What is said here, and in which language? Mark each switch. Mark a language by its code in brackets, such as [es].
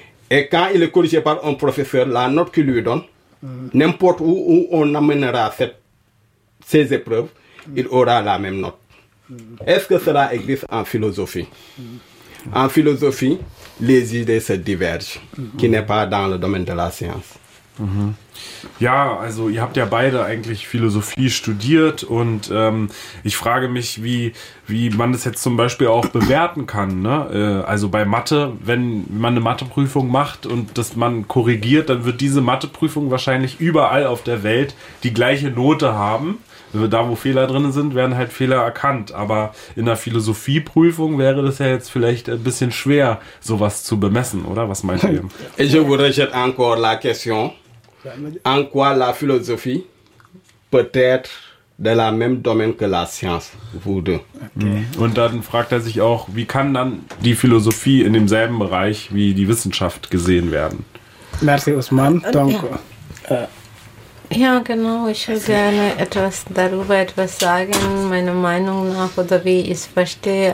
[fr] Et quand il est corrigé par un professeur, la note qu'il lui donne, n'importe où on amènera ces épreuves, il aura la même note. Est-ce que cela existe en philosophie? En philosophie, les idées se divergent, qui n'est pas dans le domaine de la science. [de] Ja, also ihr habt ja beide eigentlich Philosophie studiert und ich frage mich, wie man das jetzt zum Beispiel auch bewerten kann. Ne? Also bei Mathe, wenn man eine Matheprüfung macht und das man korrigiert, dann wird diese Matheprüfung wahrscheinlich überall auf der Welt die gleiche Note haben. Da, wo Fehler drin sind, werden halt Fehler erkannt. Aber in der Philosophieprüfung wäre das ja jetzt vielleicht ein bisschen schwer, sowas zu bemessen, oder? Was meint ihr? Ich wiederhole [fr] encore la question. En quoi la philosophie peut-être de la même domaine que la science, vous deux? [de] Und dann fragt er sich auch, wie kann dann die Philosophie in demselben Bereich wie die Wissenschaft gesehen werden? [fr] Merci, Usman. [de] Danke. Ja, genau. Ich würde gerne darüber etwas sagen, meiner Meinung nach, oder wie ich es verstehe.